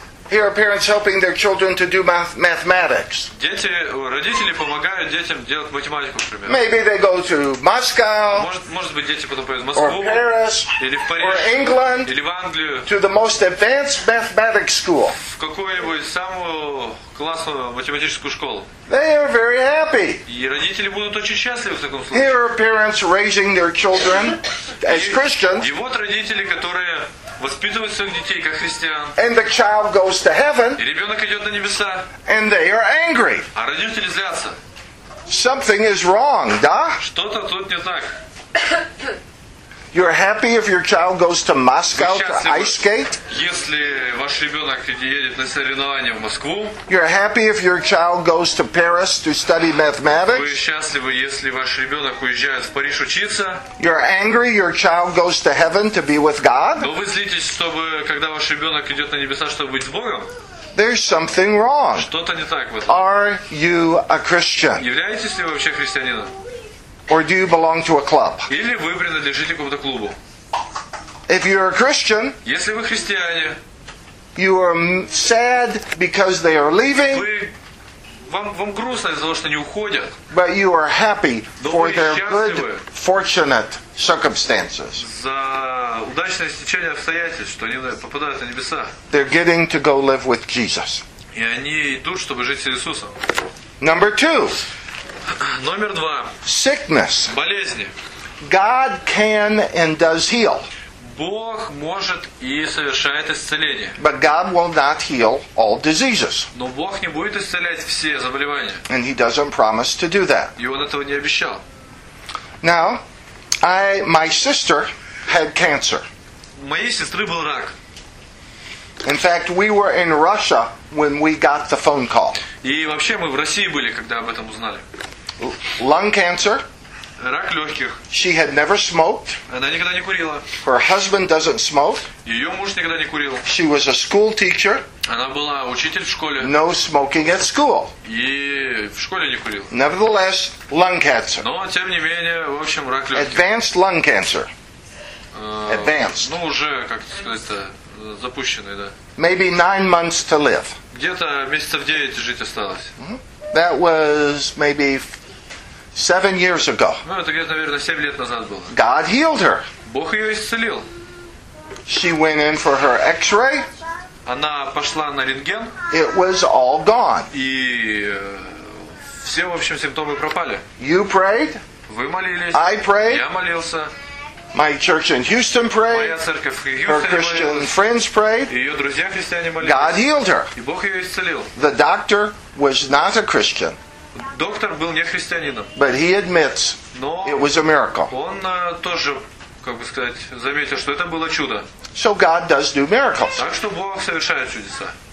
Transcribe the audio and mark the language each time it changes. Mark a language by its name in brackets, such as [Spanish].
[English] Here are parents helping their children to do mathematics. [Russian] Дети, родители помогают детям делать математику, например. [English] Maybe they go to Moscow. [Russian] Может быть, дети потом поедут в Москву. [English] Or Paris. [Russian] Или в Париж. [English] Or England. [Russian] Или в Англию. [English] To the most advanced mathematics school. [Russian] В какую-нибудь самую классную математическую школу. [English] They are very happy. [Russian] И родители будут очень счастливы в таком случае. [English] Here are parents raising their children as Christians. [Russian] И вот родители, которые воспитывают своих детей как христиан. [English] And the child goes to heaven. [Russian] И ребенок идет на небеса. [English] And they are angry. [Russian] А родители злятся. [English] Something is wrong, да? [Russian] Что-то тут не так. [English] You're happy if your child goes to Moscow to ice skate? [Russian] Если ваш ребенок едет на соревнования в Москву? [English] You're happy if your child goes to Paris to study mathematics? [Russian] Вы счастливы, если ваш ребенок уезжает в Париж учиться? [English] You're angry your child goes to heaven to be with God? [Russian] Но вы злитесь, чтобы когда ваш ребенок идет на небеса, чтобы быть с Богом? [English] There's something wrong. [Russian] Что-то не так в этом. [English] Are you a Christian? [Russian] Являетесь ли вы вообще христианином? [English] Or do you belong to a club? [Russian] Или вы принадлежите какому-то клубу? [English] If you're a Christian, [Russian] если вы христиане, [English] you are sad because they are leaving. [Russian] Вам грустно из-за того, что они уходят. [English] But you are happy for their [Russian] счастливы. [English] Good, fortunate circumstances. [Russian] За удачное стечение обстоятельств, что они попадают на небеса. [English] They're getting to go live with Jesus. [Russian] И они идут, чтобы жить с Иисусом. [English] Number two. Number 2. Sickness. [Russian] Болезни. [English] God can and does heal. [Russian] Бог может и совершает исцеление. [English] But God will not heal all diseases. [Russian] Но Бог не будет исцелять все заболевания. [English] And he doesn't promise to do that. [Russian] И он этого не обещал. [English] Now, my sister had cancer. [Russian] У моей сестры был рак. [English] In fact, we were in Russia when we got the phone call. [Russian] И вообще мы в России были, когда об этом узнали. [English] Lung cancer. [Russian] Рак легких. [English] She had never smoked. [Russian] Она никогда не курила. [English] Her husband doesn't smoke. [Russian] Ее муж никогда не курил. [English] She was a school teacher. [Russian] Она была учитель в школе. [English] No smoking at school. [Russian] И в школе не курил. [English] Nevertheless, lung cancer. [Russian] Но тем не менее, в общем, рак легких. [English] Advanced lung cancer. Advanced. [Russian] Ну уже, как сказать-то, запущенный, да. [English] Maybe 9 months to live. [Russian] Где-то месяцев 9 жить осталось. Mm-hmm. [English] That was maybe 7 years ago. [Russian] Ну, это где-то, наверное, 7 лет назад было. [English] God healed her. [Russian] Бог ее исцелил. [English] She went in for her x-ray. [Russian] Она пошла на рентген. [English] It was all gone. [Russian] И все, в общем, симптомы пропали. [English] You prayed. [Russian] Вы молились. [English] I prayed. [Russian] Я молился. [English] My church in Houston prayed. [Russian] Моя церковь в Хьюстоне. [English] Her Christian friends prayed. [Russian] Ее друзья христиане молились. [English] God healed her. [Russian] И Бог ее исцелил. [English] The doctor was not a Christian. [Russian] Доктор был не христианином. [English] But he admits it was a miracle. [Russian] Он тоже, как бы сказать, заметил, что это было чудо. [English] So God does do miracles. [Russian] Так что Бог совершает чудеса.